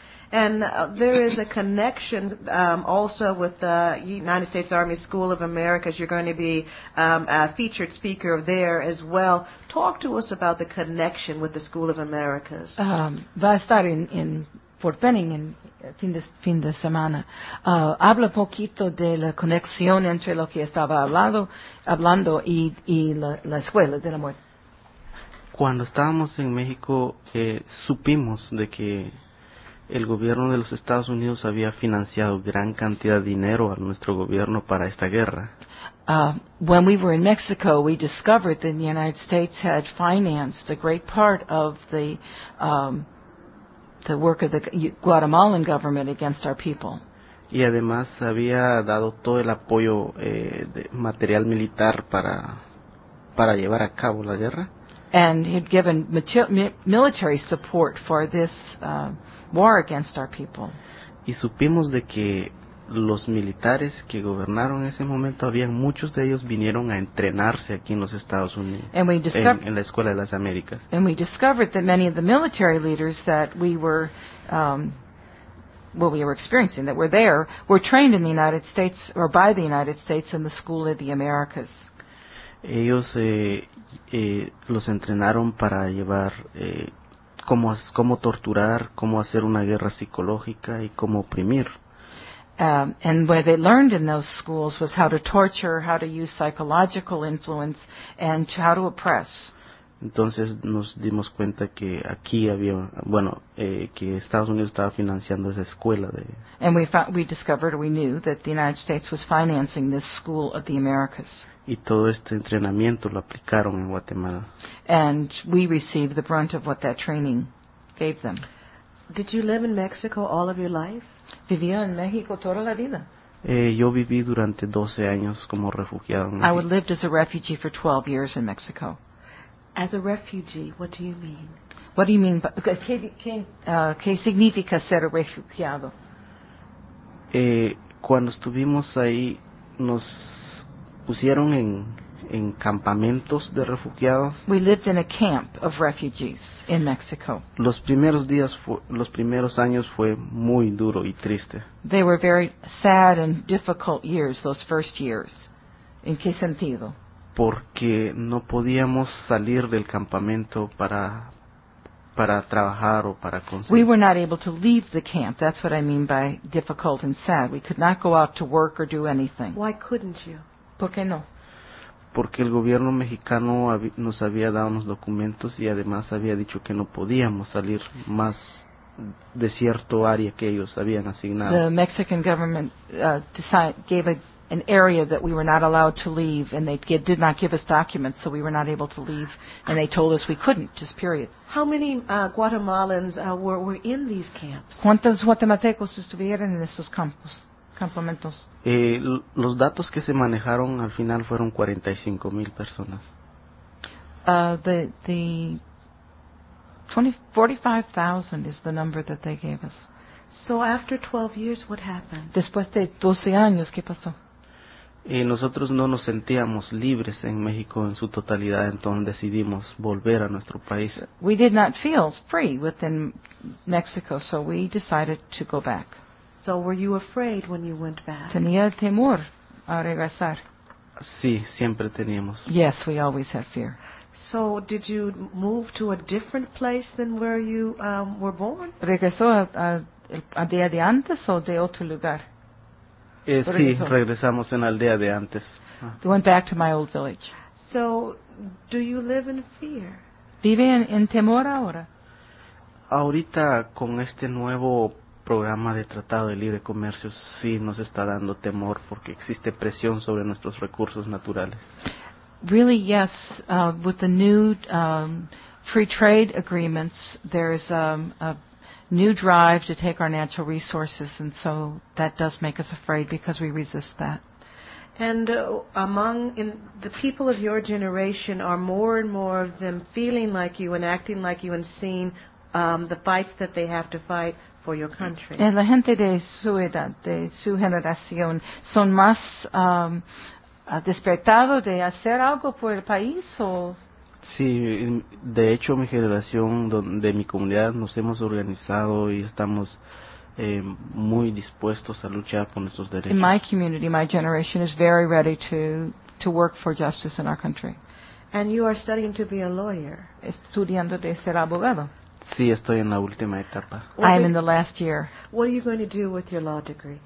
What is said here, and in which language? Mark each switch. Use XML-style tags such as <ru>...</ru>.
<en>And there is a connection also with the United States Army School of Americas. You're going to be a featured speaker there as well. Talk to us about the connection with the School of Americas.</en> <es>Va a estar en Fort Benning en fin de semana. Habla poquito de la conexión entre lo que estaba hablando y la escuela de la muerte. Cuando estábamos en México, supimos de que el gobierno de los Estados Unidos había financiado gran cantidad de dinero a nuestro gobierno para esta guerra.</es> <en>When we were in Mexico, we discovered that the United States had financed a great part of the work of the Guatemalan government against our people.</en> <es>Y además había dado todo el apoyo de material militar para llevar a cabo la guerra.</es> <en>And had given military support for this war against our people.</en> <es>Y supimos de que los militares que gobernaron en ese momento, había muchos de ellos vinieron a entrenarse aquí en los Estados Unidos, en la Escuela de las Américas.</es> <en>And we discovered that many of the military leaders that we were what we were experiencing, that we're there, we're trained in the United States or by the United States in the School of the Americas.</en> <es>Ellos los entrenaron para llevar cómo torturar, cómo hacer una guerra psicológica y cómo oprimir.</es> <en>And what they learned in those schools was how to torture, how to use psychological influence, and how to oppress.</en> <es>Entonces nos dimos cuenta que aquí había, bueno, que Estados Unidos estaba financiando esa escuela de.</es> <en>And we knew that the United States was financing this School of the Americas.</en> <es>Y todo este entrenamiento lo aplicaron en Guatemala.</es> <en>And we received the brunt of what that training gave them. Did you live in Mexico all of your life?</en> <es>Vivía en México toda la vida. Yo viví durante 12 años como refugiado en</es> <en>México. I lived as a refugee for 12 years in Mexico. As a refugee, what do you mean? What do you mean?</en> <es>¿Qué significa ser refugiado? Cuando estuvimos ahí, nos pusieron en campamentos de refugiados.</es> <en>We lived in a camp of refugees in Mexico.</en> <es>Los primeros años fue muy duro y triste.</es> <en>They were very sad and difficult years, those first years.</en> <es>¿En qué sentido? Porque no podíamos salir del campamento para trabajar o para conseguir.</es> <en>We were not able to leave the camp. That's what I mean by difficult and sad. We could not go out to work or do anything. Why couldn't you?</en> <es>¿Por qué no? Porque el gobierno mexicano nos había dado unos documentos y además había dicho que no podíamos salir más de cierto área que ellos habían asignado.</es> <en>The Mexican government gave an area that we were not allowed to leave, and did not give us documents, so we were not able to leave, and they told us we couldn't, just period. How many Guatemalans were in these camps?</en> <es>¿Cuántos guatemaltecos estuvieron en estos campos? Los datos que se manejaron al final fueron 45,000 personas.</es> <en>The 45,000 is the number that they gave us. So after 12 years, what happened?</en> <es>Después de 12 años, ¿qué pasó? Nosotros no nos sentíamos libres en México en su totalidad, entonces decidimos volver a nuestro país.</es> <en>We did not feel free within Mexico, so we decided to go back. So were you afraid when you went back?</en> <es>¿Tenía temor a regresar? Sí, siempre teníamos.</es> <en>Yes, we always have fear. So did you move to a different place than where you were born?</en> <es>¿Regresó a día de antes o de otro lugar? Sí, regresamos en la aldea de antes.</es> <en>You went back to my old village. So do you live in fear?</en> <es>¿Vive en temor ahora? Ahorita con este nuevo programa de Tratado de Libre Comercio sí nos está dando temor porque existe presión sobre nuestros recursos naturales.</es> <en>Really, yes. With the new free trade agreements, there is a new drive to take our natural resources, and so that does make us afraid because we resist that. And among the people of your generation, are more and more of them feeling like you and acting like you and seeing the fights that they have to fight for your country.</en> <es>En la gente de su edad, de su generación, son más despertado de hacer algo por el país o. Sí, de hecho, mi generación, de mi comunidad, nos hemos organizado y estamos muy dispuestos a luchar por nuestros derechos.</es> <en>In my community, my generation is very ready to work for justice in our country. And you are studying to be a lawyer.</en> <es>Estudiando de ser abogado. Sí, estoy en la última etapa.</es> <en>I am in the last year. What are you going to do with your law degree?</en>